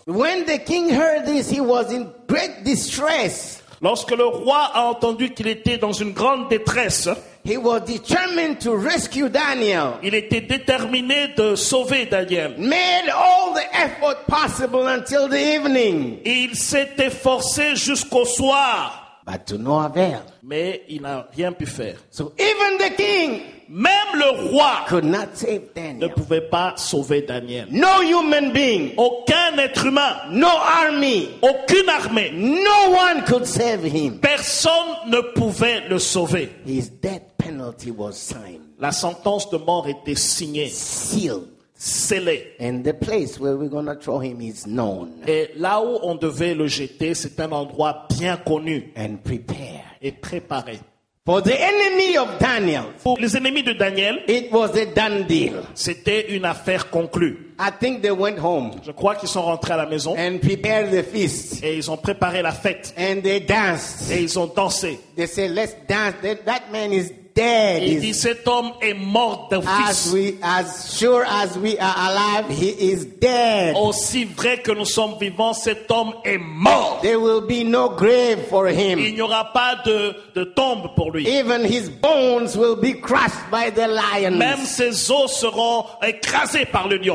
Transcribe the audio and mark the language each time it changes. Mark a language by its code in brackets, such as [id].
[en] When the king heard this, he was in great distress. [fr] Lorsque le roi a entendu qu'il était dans une grande détresse. [en] He was determined to rescue Daniel. [fr] Il était déterminé de sauver Daniel. [en] Made all the effort possible until the evening. [fr] Il s'est efforcé jusqu'au soir. [en] But to no avail. [fr] Mais il n'a rien pu faire. [en] So even the king, [fr] même le roi, [en] could not save Daniel. [fr] Ne pouvait pas sauver Daniel. [en] No human being, [fr] aucun être humain, [en] no army, [fr] aucune armée, [en] no one could save him. [fr] Personne ne pouvait le sauver. [en] His death penalty was signed. [fr] La sentence de mort était signée. [en] Sealed. [fr] Scellé. [en] And the place where we're gonna throw him is known. [fr] Et là où on devait le jeter, c'est un endroit bien connu. [en] And prepared. [fr] Et préparé. [en] For the enemy of Daniel, [fr] pour les ennemis de Daniel, [en] it was a done deal. [fr] C'était une affaire conclue. [en] I think they went home. [fr] Je crois qu'ils sont rentrés à la maison. [en] And prepared the feast. [fr] Et ils ont préparé la fête. [en] And they danced. [fr] Et ils ont dansé. [en] They said, "Let's dance. That man is dead." [fr] Il dit, cet homme est mort de fils. [en] As sure as we are alive, he is dead. [fr] Aussi vrai que nous sommes vivants, cet homme est mort. [en] There will be no grave for him. [fr] Il n'y aura pas de tombe pour lui. [en] Even his bones will be crushed by the lions. [fr] Même ses os seront écrasés par le lion.